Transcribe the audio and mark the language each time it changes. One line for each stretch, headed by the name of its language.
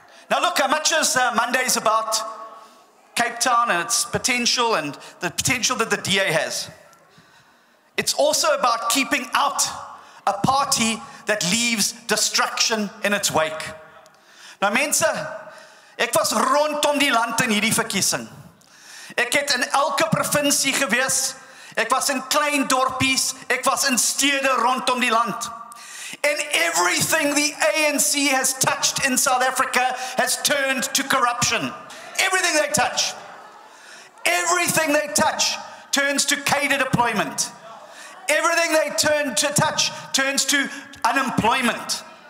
English: Now look, how much is Monday is about Cape Town and its potential and the potential that the DA has. It's also about keeping out a party that leaves destruction in its wake.
Afrikaans: Nou mense, ek was rondom die land in hierdie verkiesing. Ek het in elke provinsie gewees. Ek was in klein dorpies, ek was in stede rondom die land.
English: And everything the ANC has touched in South Africa has turned to corruption. Everything they touch. Everything they touch turns to cadre deployment. Everything they turn to touch turns to unemployment.